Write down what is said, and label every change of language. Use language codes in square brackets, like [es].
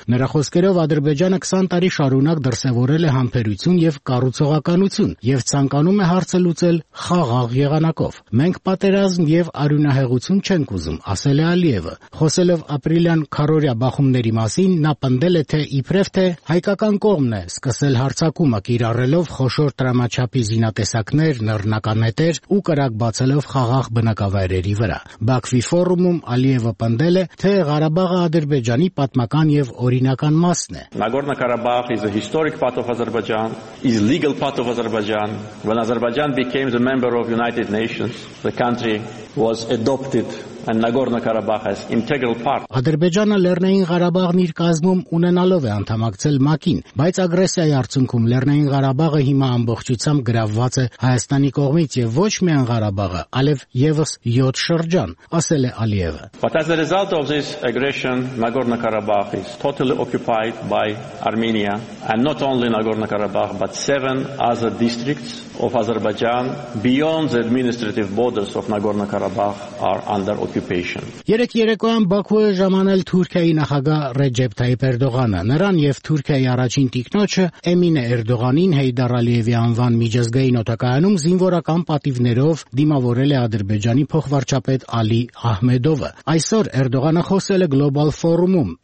[hy] Նրա խոսքերով Ադրբեջանը 20 տարի շարունակ դրսևորել է համբերություն և կառուցողականություն և ցանկանում է հարցը լուծել խաղաղ եղանակով։ Մենք պատերազմ և արյունահեղություն չենք ուզում, ասել է Ալիևը։ Խոսելով ապրիլյան քարորյա բախումների մասին, նա պնդել է, թե իբրև թե հայկական կողմն է սկսել հարձակումը, կիրառելով խոշոր տրամաչափի զինատեսակներ, նռնականետեր ու բացելով խաղաղ բնակավայրերի վրա։ Բաքվի ֆորումում Ալիևը պնդել է, թե Ղարաբաղը Ադրբեջանի պատմական և օրինական մասն է։ [en] Nagorno Karabakh is a historic part of Azerbaijan, is legal part of Azerbaijan. When Azerbaijan became the member of United Nations, the country was adopted and Nagorno Karabakh is integral part. [hy] Ադրբեջանը Լեռնային Ղարաբաղն իր կազմում ունենալով է ընդհամակցել ՄԱԿ-ին, բայց ագրեսիայի արդյունքում Լեռնային Ղարաբաղը հիմա ամբողջությամբ գրավված է Հայաստանի կողմից, եւ ոչ միայն Ղարաբաղը, այլև եւս 7 շրջան, ասել է Ալիևը։ [en] But as a result of this aggression, Nagorno Karabakh is totally occupied by Armenia, and not only Nagorno Karabakh but 7 other districts of Azerbaijan beyond the administrative borders of Nagorno Karabakh are under occupation. [hy] Երեք երեկոյան Բաքուի ժամանել Թուրքիայի նախագահ Ռեջեփ Թայիփ Էրդողանը, նրան եւ Թուրքիայի առաջին տիկնոջը Էմինե Էրդողանին Հեյդար Ալիևի անվան միջազգային օդակայանում զինվորական պատիվներով դիմավորել է Ադրբեջանի փոխվարչապետ Ալի Ահմեդովը։ Այսօր Էրդողանը խոսել է գլոբալ ֆորումում.